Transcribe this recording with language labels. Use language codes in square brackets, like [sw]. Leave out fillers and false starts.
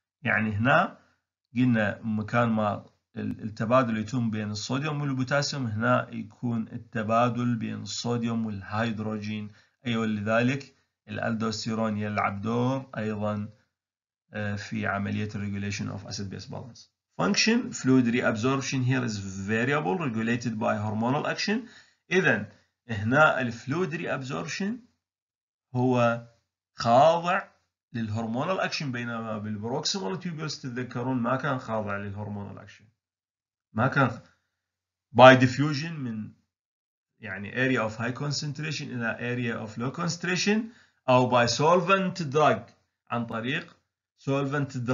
[ar] يعني هنا قلنا مكان ما التبادل يتم بين الصوديوم والبوتاسيوم، هنا يكون التبادل بين الصوديوم والهيدروجين، أيوة، لذلك الألدوستيرون يلعب دور أيضا في عملية [en] regulation of acid base balance. Function fluid reabsorption here is variable regulated by hormonal action. [ar] إذا هنا الفلويد reabsorption هو خاضع للهرمونال أكشن، بينما بالبروكسيمال تيوبولز تتذكرون ما كان خاضع للهرمونال أكشن، ما كان by diffusion من يعني area of high concentration إلى area of low concentration، أو by solvent drug عن طريق solvent